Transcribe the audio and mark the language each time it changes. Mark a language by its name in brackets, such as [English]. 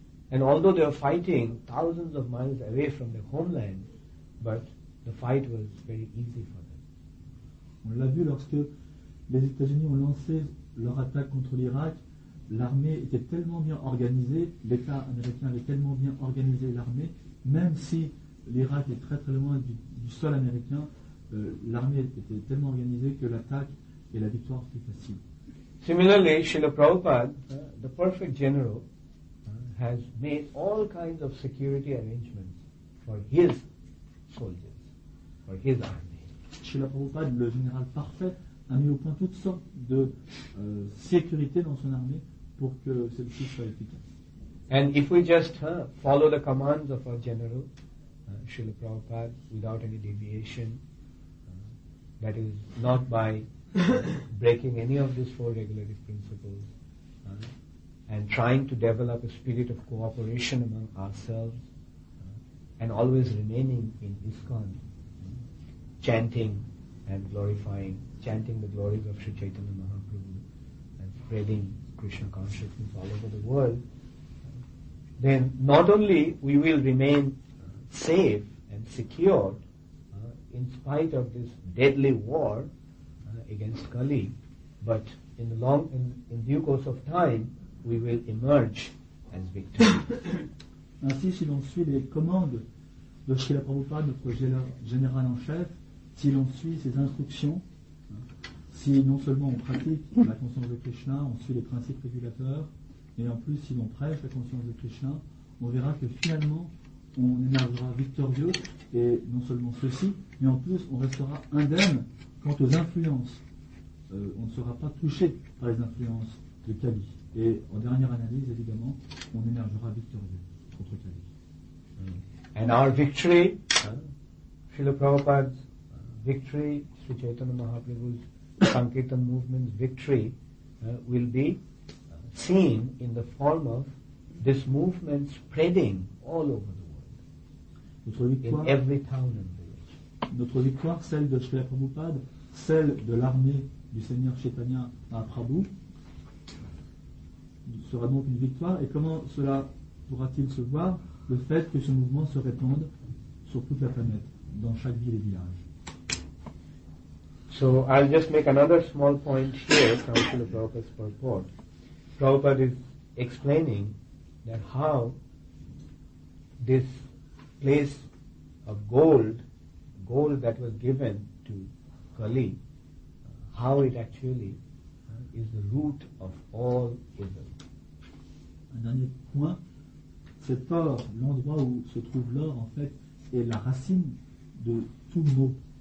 [English] And although they were fighting thousands of miles away from their homeland, but the fight was very easy for them. [French] On l'a vu lorsque les États-Unis ont lancé leur attaque contre l'Irak, l'armée était tellement bien organisée, l'État américain avait tellement bien organisé l'armée, même si l'Irak est très très loin du sol américain, l'armée était tellement organisée que l'attaque et la victoire étaient faciles. [English] Similarly, Srila Prabhupada, the perfect general, has made all kinds of security arrangements for his soldiers, for his army. [French] Srila Prabhupada, le général parfait, a mis au point toutes sortes de sécurité dans son armée pour que celle-ci soit efficace. [English] And if we just follow the commands of our general, Srila Prabhupada, without any deviation, that is not by breaking any of these four regulative principles and trying to develop a spirit of cooperation among ourselves and always remaining in ISKCON, chanting the glories of Sri Chaitanya Mahaprabhu and spreading Krishna consciousness all over the world, then not only we will remain safe and secured in spite of this deadly war against Kali, but in due course of time, we will emerge as victors. [French] Ainsi, si l'on suit les commandes de Srila Prabhupada, notre général en chef, si l'on suit ses instructions, si non seulement on pratique la conscience de Krishna, on suit les principes régulateurs, et en plus, si l'on prêche la conscience de Krishna, on verra que finalement, on émergera victorieux, et non seulement ceci, mais en plus, on restera indemne. Quant aux influences, on ne sera pas touché par les influences de Kali. Et en dernière analyse, évidemment, on émergera victorieux contre Kali. [English] And our victory, Srila Prabhupada's victory, Sri Chaitanya Mahaprabhu's Sankirtan movement's victory, will be seen in the form of this movement spreading all over the world. In every town and village. [French] Notre victoire, celle de Srila Prabhupada, celle de l'armée du Seigneur Chaitanya Mahaprabhu sera donc une victoire. Et comment cela pourra-t-il se voir? Le fait que ce mouvement se répande sur toute la planète, dans chaque ville et village. [English] So I'll just make another small point here from the Prabhupada's purport. Prabhupada is explaining that how this place of gold that was given to Kali, how it actually is the root of all evil. [French] Un dernier point, cet or, l'endroit où se trouve l'or, en fait, est la racine de tout mal.